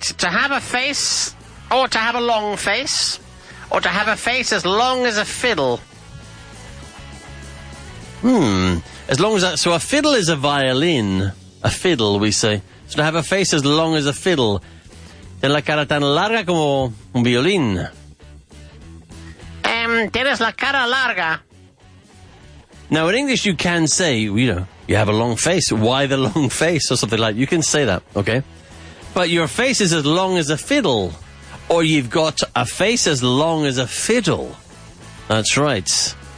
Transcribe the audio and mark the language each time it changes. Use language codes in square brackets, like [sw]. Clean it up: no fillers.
[en] To have a face, or to have a long face, or to have a face as long as a fiddle. As long as that. So a fiddle is a violin. A fiddle, we say. So to have a face as long as a fiddle. [es] De la cara tan larga como un violín. Tienes la cara larga. [en] Now, in English, you can say, you know, you have a long face. Why the long face? Or something like that. You can say that, okay? But your face is as long as a fiddle. Or you've got a face as long as a fiddle. That's right.